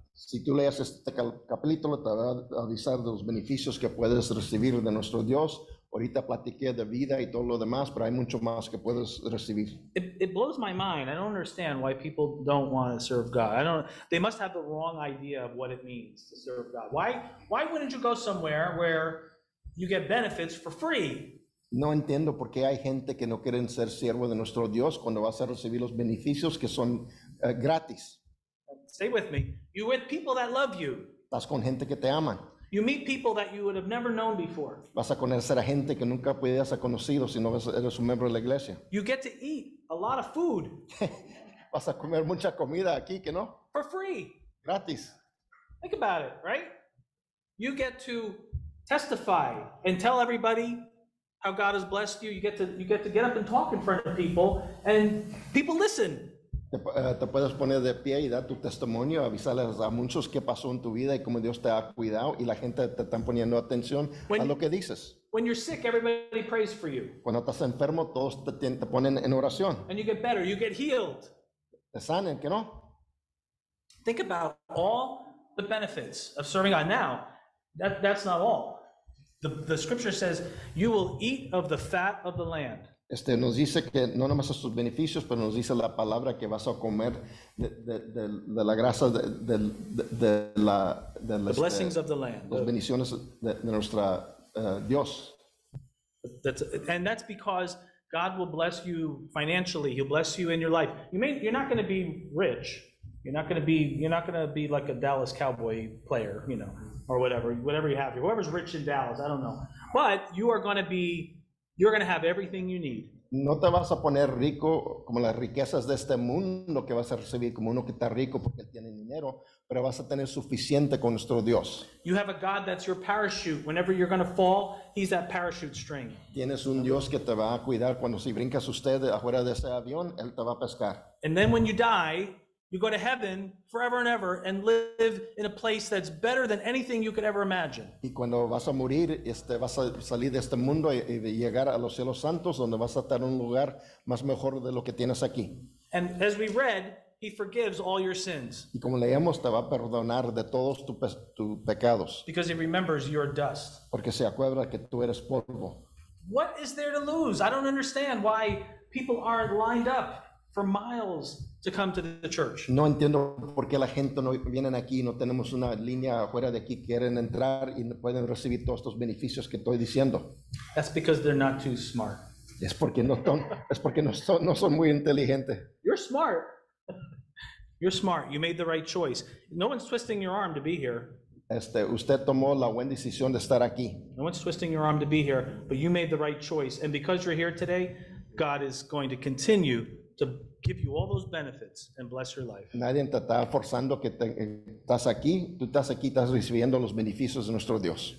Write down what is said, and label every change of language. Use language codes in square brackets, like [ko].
[es] Si tú lees este capítulo, te va a avisar de los beneficios que puedes recibir de nuestro Dios. Ahorita platiqué de vida y todo lo demás, pero hay mucho más que puedes recibir. [en] It blows my mind. I don't understand why people don't want to serve God. They must have the wrong idea of what it means to serve God. Why wouldn't you go somewhere where you get benefits for free? [es] No entiendo por qué hay gente que no quieren ser siervo de nuestro Dios cuando vas a recibir los beneficios que son gratis. [en] Stay with me. You're with people that love you. [es] Estás con gente que te aman. [en] You meet people that you would have never known before. [es] Vas a conocer a gente que nunca podías haber conocido si no eres un miembro de la iglesia. [en] You get to eat a lot of food. [es] Vas a comer mucha comida aquí, ¿que no? [en] For free. [es] Gratis. [en] Think about it, right? You get to testify and tell everybody how God has blessed you. You get to get up and talk in front of people, and people listen. [es] Te puedes poner de pie y dar tu testimonio, avisarles a muchos qué pasó en tu vida y cómo Dios te ha cuidado, y la gente te está poniendo atención a lo que dices. [en] When you're sick, everybody prays for you. [es] Cuando estás enfermo, todos te ponen en oración. [en] And you get better, you get healed. [es] Te sanen, ¿qué no? [en] Think about all the benefits of serving God. Now, that's not all. The scripture says, you will eat of the fat of the land. [es] Nos dice que no nomás estos beneficios, pero nos dice la palabra que vas a comer de la grasa de [en] the blessings of the land. [es] Las bendiciones de nuestra Dios. [en] And that's because God will bless you financially. He'll bless you in your life. You're not going to be rich. You're not going to be like a Dallas Cowboy player, you know, or whatever you have. Whoever's rich in Dallas, I don't know. But you are going to be. You're going to have everything you need. [es] No te vas a poner rico como las riquezas de este mundo que vas a recibir como uno que está rico porque tiene dinero, pero vas a tener suficiente con nuestro Dios. [en] You have a God that's your parachute. Whenever you're going to fall, he's that parachute string. [es] Tienes un Dios que te va a cuidar cuando si brincas usted afuera de ese avión, él te va a pescar. [en] And then when you die, you go to heaven forever and ever and live in a place that's better than anything you could ever imagine. [es] Y cuando vas a morir, vas a salir de este mundo y llegar a los cielos santos, donde vas a estar en un lugar más mejor de lo que tienes aquí. [en] And as we read, he forgives all your sins. [es] Y como leemos, te va a perdonar de todos tus pecados. [en] Because he remembers your dust. [es] Porque se acuerda que tú eres polvo. [en] What is there to lose? I don't understand why people aren't lined up for miles to come to the church. [es] No entiendo por qué la gente no vienen aquí, no tenemos una línea afuera de aquí, quieren entrar y pueden recibir todos estos beneficios que estoy diciendo. [en] That's because they're not too smart. [es] Es porque no son muy inteligentes. [en] You're smart. You're smart. You made the right choice. No one's twisting your arm to be here. [es] Usted tomó la buena decisión de estar aquí. [en] No one's twisting your arm to be here, but you made the right choice. And because you're here today, God is going to continue to give you all those benefits and bless your life. [es] Nadie te está forzando que estás aquí. Tú estás aquí, estás recibiendo los beneficios de nuestro Dios.